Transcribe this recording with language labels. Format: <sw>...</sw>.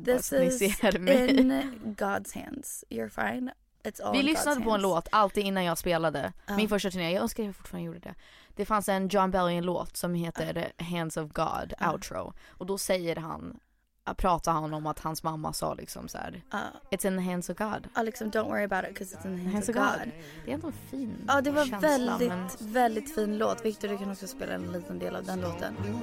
<en>This is in God's hands. You're fine.</en> <sv>Vi lyssnade på en låt alltid innan jag spelade min första turné. Jag önskar att jag fortfarande gjorde det. Det fanns en John Bellion-låt som heter Hands of God, outro. Och då säger han, pratar han om att hans mamma sa liksom så här,</sv> <en>it's in the hands of God.</en> <sv>Ja, liksom,</sv> <en>don't worry about it because it's in the hands of God.</en> <sv>Det är ändå fin. Ja, det var känsla, väldigt, men... väldigt fin låt. Victor, du kan också spela en liten del av den låten.</sv>